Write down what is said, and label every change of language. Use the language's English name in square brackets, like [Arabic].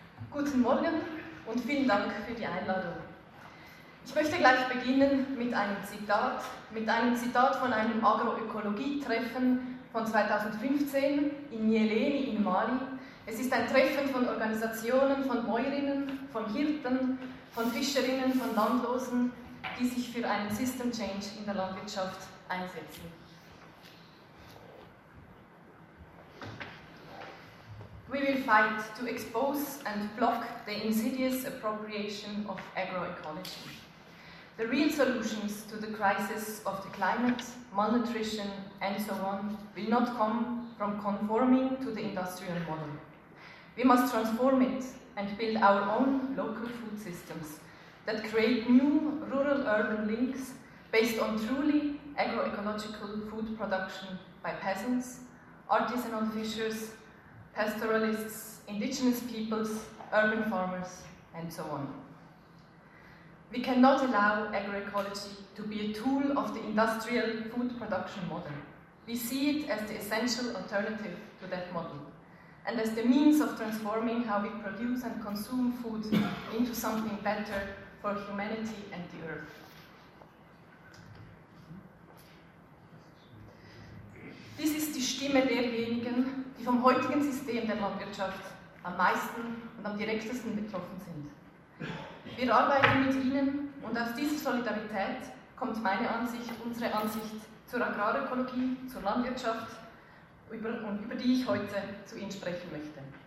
[German] Guten Morgen und vielen Dank für die Einladung. Ich möchte gleich beginnen mit einem Zitat, von einem Agroökologie-Treffen von 2015 in Nyeleni in Mali. Es ist ein Treffen von Organisationen, von Bäuerinnen, von Hirten, von Fischerinnen, von Landlosen, die sich für einen System Change in der Landwirtschaft einsetzen. [English] We will fight to expose and block the insidious appropriation of agroecology. The real solutions to the crisis of the climate, malnutrition, and so on will not come from conforming to the industrial model. We must transform it and build our own local food systems that create new rural-urban links based on truly agroecological food production by peasants, artisanal fishers, pastoralists, indigenous peoples, urban farmers, and so on. We cannot allow agroecology to be a tool of the industrial food production model. We see it as the essential alternative to that model, and as the means of transforming how we produce and consume food into something better for humanity and the earth. [German] Dies ist die Stimme derjenigen, die vom heutigen System der Landwirtschaft am meisten und am direktesten betroffen sind. Wir arbeiten mit ihnen und aus dieser Solidarität kommt meine Ansicht, unsere Ansicht zur Agrarökologie, zur Landwirtschaft, über die ich heute zu Ihnen sprechen möchte.